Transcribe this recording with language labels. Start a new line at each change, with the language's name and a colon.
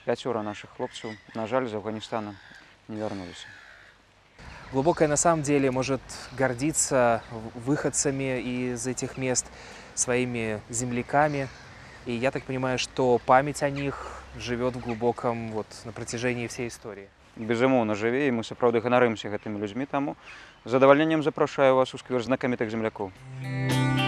Belarusian: Пяцёра нашых хлопцаў, на жаль, з Афганістана не вярнуліся.
Russian: Глыбокае на самом деле может гордиться выходцами из этих мест, своими земляками. И я так понимаю, что память о них живет в глубоком вот, на протяжении всей истории.
Belarusian: Безумоўна жыве, и мы сапраўды ганарымся гэтымі людзьмі, таму с задавальненнем запрашаю вас у сквер знакамітых землякоў.
English: Thank you.